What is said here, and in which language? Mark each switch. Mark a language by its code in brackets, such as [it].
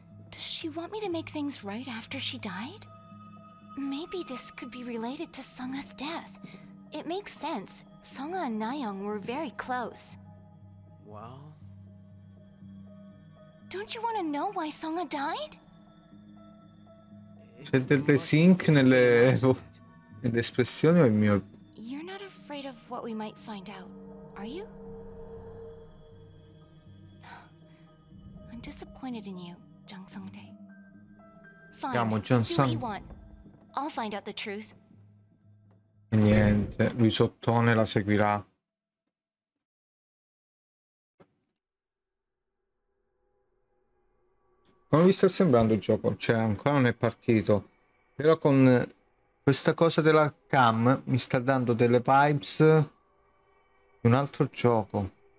[en] Does she want me to make things right after she died? Maybe this could be related to Sungha's death. It makes sense. Sungha and Nayoung were very close. Well... Don't you want to know why Sungha died? [it] C'è del desync nelle espressioni o il mio... [en] You're not afraid of what we might find out, are you? I'm disappointed in you, Jung Sungdae. Fine, do what you want. I'll find out the truth. [it] Niente, lui sottone la seguirà. Come vi sta sembrando il gioco? Cioè, ancora non è partito. Però con questa cosa della cam mi sta dando delle vibes di un altro gioco.